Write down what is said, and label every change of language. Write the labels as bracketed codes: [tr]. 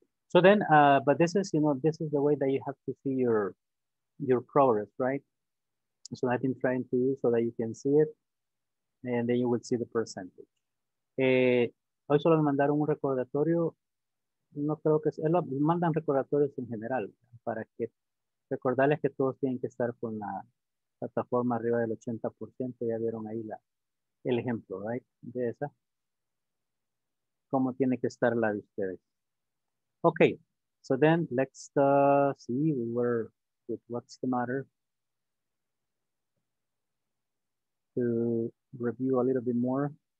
[en] So then, but this is, you know, this is the way that you have to see your progress, right? So I've been trying to use so that you can see it and then you will see the percentage. [es] Hoy solo me mandaron un recordatorio, no creo que sea, mandan recordatorios en general para que recordarles que todos tienen que estar con la plataforma arriba del 80%, ya vieron ahí el ejemplo, [en] right? [es] De esa, cómo tiene que estar la de ustedes. [en] Okay, so then let's see where, with what's the matter. To review a little bit more.